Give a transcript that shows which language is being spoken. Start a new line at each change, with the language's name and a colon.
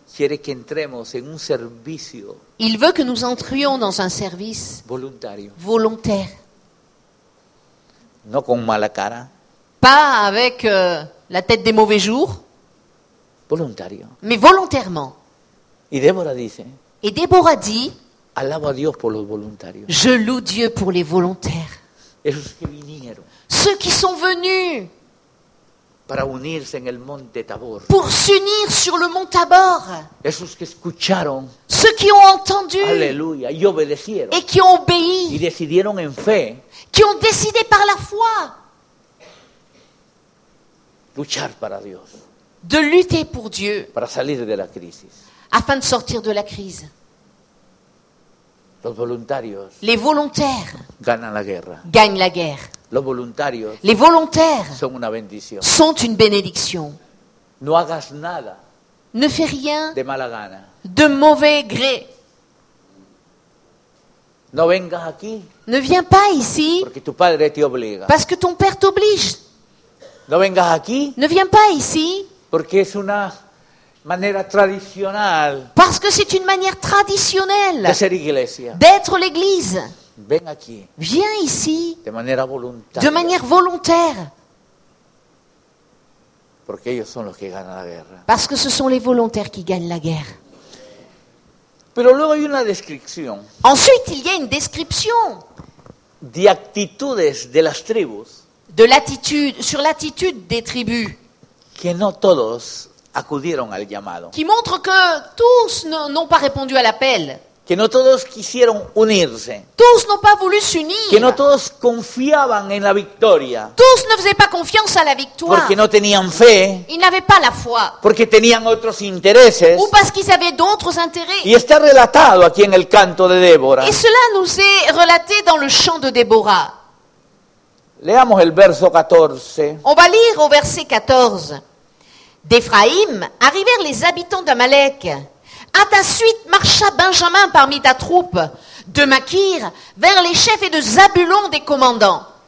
Spanish: Quiere que entremos en un servicio.
French: Il veut que nous entrions dans un service.
Spanish: Voluntario.
French: Volontaire.
Spanish: No con mala cara.
French: Pas avec la tête des mauvais jours.
Spanish: Voluntario.
French: Mais volontairement.
Spanish: Y Débora dice.
French: Et Débora dit.
Spanish: Alabo a Dios por los voluntarios.
French: Je loue Dieu pour les volontaires.
Spanish: Esos que vinieron.
French: Ceux qui sont venus.
Spanish: Para unirse en el monte Tabor.
French: Pour s'unir sur le mont Tabor.
Spanish: Esos que escucharon.
French: Ceux qui ont entendu.
Spanish: Aleluya. Y obedecieron.
French: Et qui ont obéi.
Spanish: Y decidieron en fe.
French: Qui ont décidé par la foi.
Spanish: Luchar para Dios.
French: De lutter pour Dieu.
Spanish: Para salir de la crisis.
French: Afin de sortir de la crise.
Spanish: Los voluntarios.
French: Les volontaires.
Spanish: Ganan la guerra.
French: Gagnent la guerre.
Spanish: Los voluntarios.
French: Les volontaires.
Spanish: Son una bendición.
French: Sont une bénédiction.
Spanish: No hagas nada.
French: Ne fais rien.
Spanish: De mala gana.
French: De mauvais gré.
Spanish: No vengas aquí.
French: Ne viens pas ici.
Spanish: Porque tu padre te obliga.
French: Parce que ton père t'oblige.
Spanish: No vengas aquí.
French: Ne viens pas ici.
Spanish: Porque es una manera tradicional.
French: Parce que c'est une manière traditionnelle.
Spanish: De ser iglesia.
French: D'être l'église.
Spanish: Ven aquí.
French: Viens ici.
Spanish: De manera voluntaria.
French: De manière volontaire.
Spanish: Porque ellos son los que ganan la guerra.
French: Parce que ce sont les volontaires qui gagnent la guerre.
Spanish: Pero luego hay una descripción.
French: Ensuite, il y a une description.
Spanish: De actitudes de las tribus.
French: De l'attitude, sur l'attitude des tribus.
Spanish: Que no todos acudieron al llamado.
French: Qui montre que tous n'ont pas répondu à l'appel.
Spanish: Que no todos quisieron unirse.
French: Tous n'ont pas voulu s'unir.
Spanish: Que no todos confiaban en la victoria.
French: Tous ne faisaient pas confiance à la victoire.
Spanish: Porque no tenían fe.
French: Ils n'avaient pas la foi.
Spanish: Porque tenían otros intereses.
French: Ou parce qu'ils avaient d'autres intérêts.
Spanish: Y está relatado aquí en el canto de Débora.
French: Et cela nous est relaté dans le chant de Déborah.
Spanish: Leamos el verso 14.
French: On va lire au verset 14. D'Éphraïm arrivèrent les habitants d'Amalek. À ta suite marcha Benjamin parmi ta troupe, de Makir vers les chefs et de Zabulon des commandants.